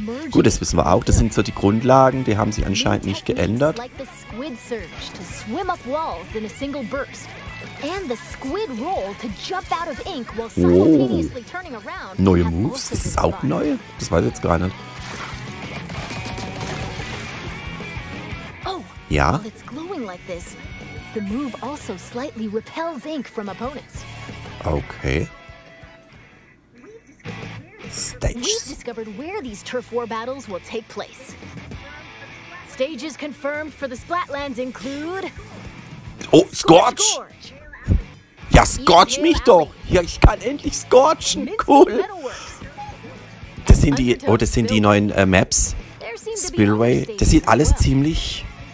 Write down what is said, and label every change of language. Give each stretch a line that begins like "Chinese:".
German: Gut, das wissen wir auch. Das sind so die Grundlagen. Die haben sich anscheinend nicht geändert. Oh. Neue Moves? Ist das auch neu? Das weiß ich jetzt gar nicht. Ja.
English: While it's glowing like this, the move also slightly repels ink from opponents. Okay. Stages. We've discovered where these turf war battles will take place. Stages confirmed for the Splatlands include.
German: Oh, Scorch! Ja, Scorch mich doch! Ja, ich kann endlich scorchen! Cool! Das sind die. Oh, das sind die neuen Maps. Spillway. Das sieht alles ziemlich.